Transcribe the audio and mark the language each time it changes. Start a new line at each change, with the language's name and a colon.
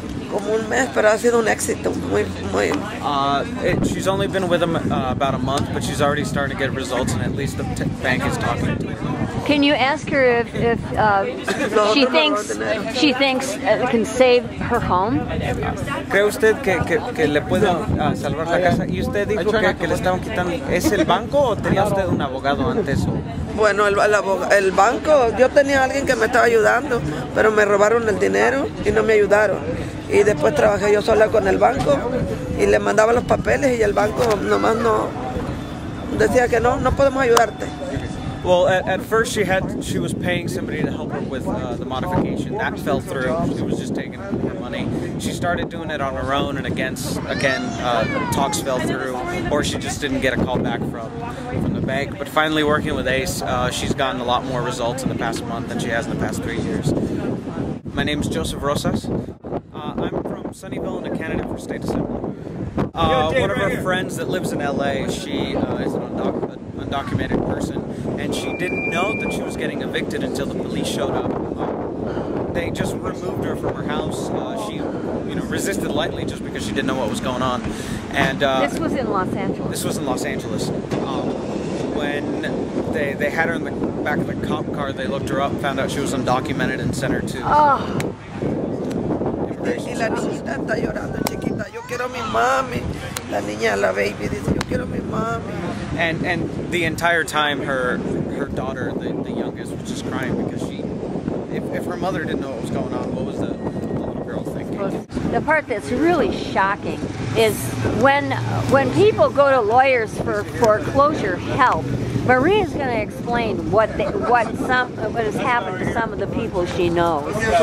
Spanish: Como un mes, pero ha sido un éxito muy, muy.
English: She's only been with them about a month, but she's already starting to get results, and at least the bank is talking to them. Can you ask her if she thinks it can save her home?
Spanish: ¿Cree usted que le puedo salvar la casa? ¿Y usted dijo que le estaban quitando? ¿Es el banco o tenía usted un abogado antes? Bueno, el banco, yo tenía alguien que me estaba ayudando, pero me robaron el dinero y no me ayudaron. Y después trabajé yo sola con el banco y le mandaba los papeles y el banco nomás no decía que no podemos ayudarte.
English: Well, at first she was paying somebody to help her with the modification. That fell through. She was just taking her money. She started doing it on her own, and talks fell through, or she just didn't get a call back from the bank. But finally, working with ACE, she's gotten a lot more results in the past month than she has in the past 3 years. My name is Joseph Rosas. I'm from Sunnyvale and a candidate for State Assembly. One of our friends that lives in LA, she is an undocumented person, and she didn't know that she was getting evicted until the police showed up. They just removed her from her house. She, you know, resisted lightly just because she didn't know what was going on. And this was in Los Angeles. This was in Los Angeles. When they had her in the back of the cop car, they looked her up, found out she was undocumented, and sent her to. Oh.
Spanish: Y la niñita está llorando, chiquita. Yo quiero mi mami. La niña, la baby, dice, yo quiero mi mami.
English: And the entire time, her daughter, the youngest, was just crying because if her mother didn't know what was going on, what was the little girl thinking? The part that's really shocking is when people go to lawyers for foreclosure help, Maria's going to explain what has happened to some of the people she knows.